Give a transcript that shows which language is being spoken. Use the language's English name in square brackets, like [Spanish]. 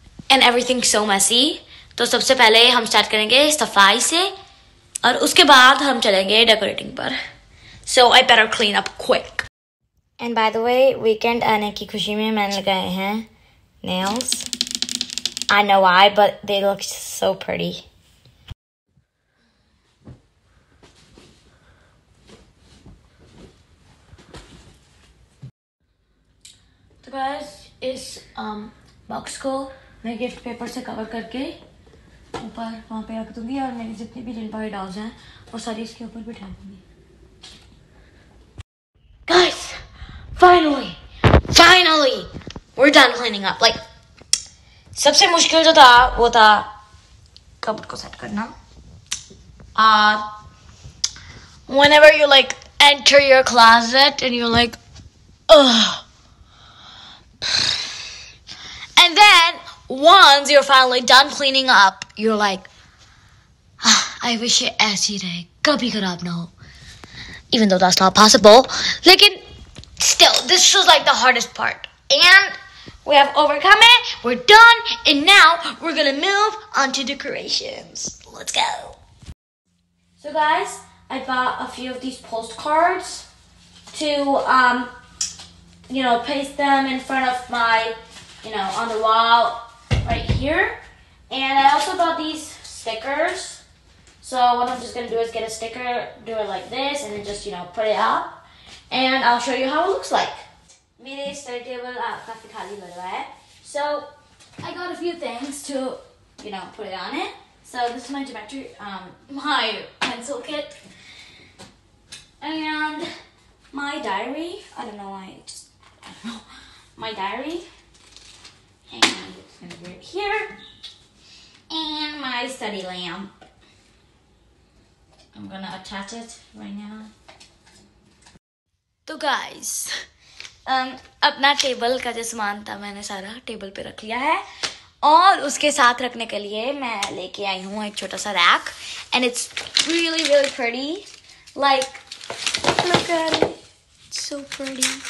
[English] And everything's so messy. [Hindi] तो सबसे पहले हम स्टार्ट करेंगे सफाई से और उसके बाद हम चलेंगे डेकोरेटिंग पर [English] So I better clean up quick. And by the way, [Hindi] weekend आने की खुशी में मैंने लगाए हैं nails. [English] I know why, but they look so pretty. [Hindi] बस इस बॉक्स को मैं गिफ्ट पेपर से कवर करके ऊपर वहाँ पे रख दूंगी और मेरे जितने भी डिन पॉय डॉल्स हैं वो सारी इसके ऊपर बिठा दूंगी [English] guys finally we done cleaning up like [Hindi] सबसे मुश्किल जो था वो था कबर्ड को सेट करना [English] और whenever you like enter your closet and you like And then, once you're finally done cleaning up, you're like, I wish it as you did. [Hindi] Kabhi kharab na ho. [English] Even though that's not possible. Lekin, still, this was like the hardest part. And we have overcome it. We're done. And now, we're gonna move on to decorations. Let's go. So guys, I bought a few of these postcards to, you know, paste them in front of my... You know, on the wall right here. And I also bought these stickers. So what I'm just gonna do is get a sticker, do it like this, and then just, you know, put it up. And I'll show you how it looks like. [Hindi] मेरे study table काफी खाली लग रहा है. [English] So I got a few things to, you know, put it on it. So this is my geometry, my pencil kit, and my diary. I don't know why, just, I don't know. My diary. Hang on, it's gonna be right here. And my study lamp. I'm gonna attach it right now. [Hindi] तो guys अपना table का जो सामान था मैंने सारा table पे रख लिया है और उसके साथ रखने के लिए मैं लेके आई हूँ एक छोटा सा rack [English] and it's really really pretty like look at it so pretty